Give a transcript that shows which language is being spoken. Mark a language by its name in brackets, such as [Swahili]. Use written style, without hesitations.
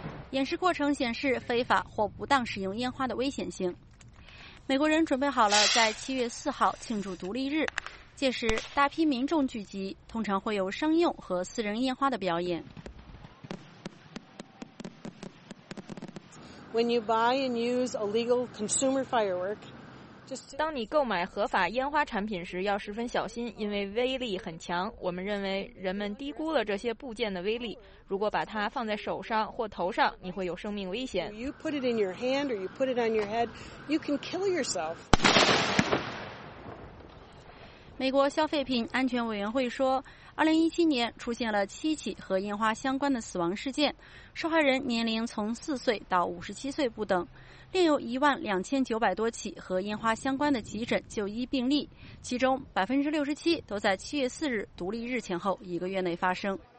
[Chinese] 演示过程显示非法或不当使用烟花的危险性。美国人准备好了在7月4号庆祝独立日，届时大批民众聚集，通常会有商用和私人烟花的表演。 [English] When you buy and use illegal consumer firework, [Chinese] 当你购买合法烟花产品时要十分小心，因为威力很强。我们认为人们低估了这些部件的威力，如果把它放在手上或头上，你会有生命危险。 [English] You put it in your hand or you put it on your head, you can kill yourself. [Chinese] 美国消费品安全委员会说，2017年出现了七起和烟花相关的死亡事件，受害人年龄从4岁到57岁不等，另有12,900多起和烟花相关的急诊就医病例，其中67%都在7月4日独立日前后一个月内发生。